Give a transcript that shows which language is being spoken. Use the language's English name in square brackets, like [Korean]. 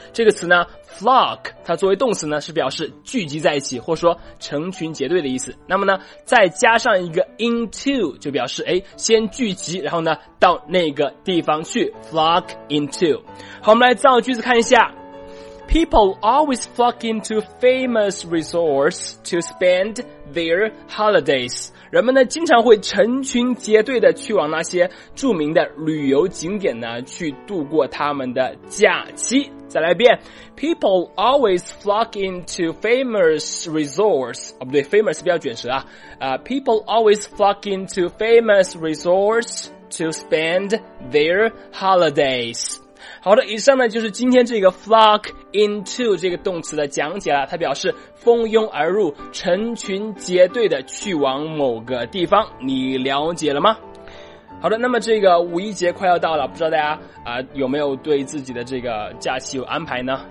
[Chinese] 这个词呢 flock 它作为动词呢是表示聚集在一起，或者说成群结队的意思。那么呢再加上一个 into 就表示先聚集然后呢到那个地方去， flock into。好，我们来造句子看一下。 [English] People always flock into famous resorts to spend their holidays。 [Chinese] 人们呢经常会成群结队的去往那些著名的旅游景点呢去度过他们的假期。再来一遍， [English] People always flock into famous resorts， famous [Chinese] 不要卷舌啊、 [English] People always flock into famous resorts to spend their holidays。 [Chinese] 好的，以上呢就是今天这个 flock into 这个动词的讲解了，它表示蜂拥而入，成群结队的去往某个地方，你了解了吗？好的，那么这个五一节快要到了，不知道大家有没有对自己的这个假期有安排呢？